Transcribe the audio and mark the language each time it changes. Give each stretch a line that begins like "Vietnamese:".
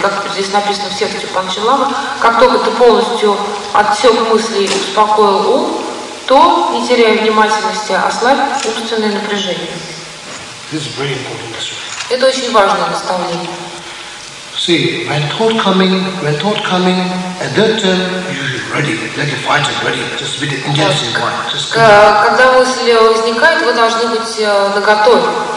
Russian: Как здесь написано в сердце Панчалама, как только ты полностью отсек мысли и успокоил ум, то, не теряя внимательности, ослабь умственное напряжение.
English: This is very important.
Russian: Это очень важное наставление.
English: See, when thought coming, at that time you should ready, like a fighter ready, just with the intensity in mind.
Russian: Когда мысль возникает, вы должны быть наготове.